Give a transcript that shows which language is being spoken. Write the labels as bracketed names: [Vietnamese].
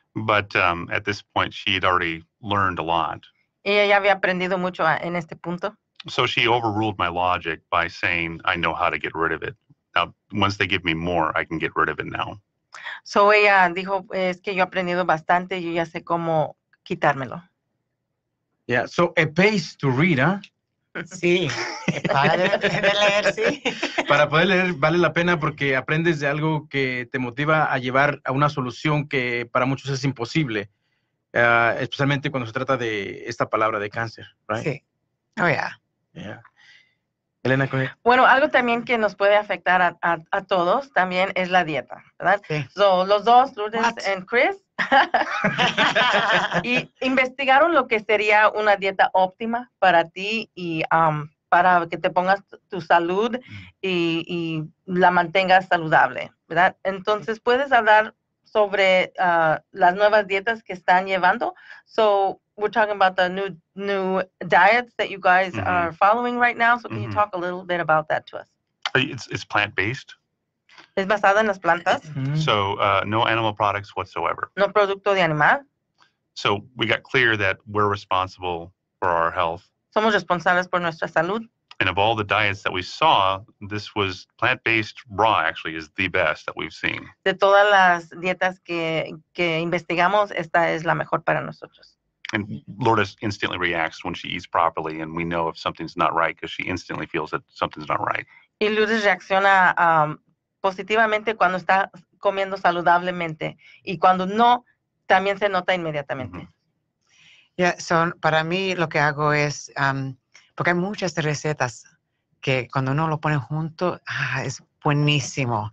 [English] But at this point, she had already learned a lot. [Spanish] Y ella había aprendido mucho en este punto. [English] So she overruled my logic by saying, I know how to get rid of it. Now, once they give me more, I can get rid of it now. [Spanish] So ella dijo, es que yo he aprendido bastante, yo ya sé cómo quitármelo. [English] Yeah, so a page to read, ¿eh? [Spanish] Sí, para leer, sí. Para poder leer vale la pena porque aprendes de algo que te motiva a llevar a una solución que para muchos es imposible, especialmente cuando se trata de esta palabra de cáncer, right? [English] Sí. Oh, yeah. Yeah. Elena, [Spanish] bueno, algo también que nos puede afectar a todos también es la dieta, ¿verdad? Sí. So, los dos, Lourdes and Chris, y investigaron lo que sería una dieta óptima para ti y para que te pongas tu salud y la mantengas saludable, ¿verdad? Entonces, ¿puedes hablar sobre las nuevas dietas que están llevando? [English] So, we're talking about the new diets that you guys mm-hmm. are following right now. So can mm-hmm. you talk a little bit about that to us? It's plant-based. [Spanish] ¿Es basada en las plantas? [English] Mm-hmm. So no animal products whatsoever. [Spanish] No producto de animal. [English] So we got clear that we're responsible for our health. [Spanish] Somos responsables por nuestra salud. [English] And of all the diets that we saw, this was plant-based raw, actually, is the best that we've seen. [Spanish] De todas las dietas que investigamos, esta es la mejor para nosotros. [English] And Lourdes instantly reacts when she eats properly, and we know if something's not right because she instantly feels that something's not right. [Spanish] Y Lourdes reacciona positivamente cuando está comiendo saludablemente, y cuando no, también se nota inmediatamente. Mm-hmm. Yeah, so para mí lo que hago es, porque hay muchas recetas que cuando uno lo pone junto, es buenísimo.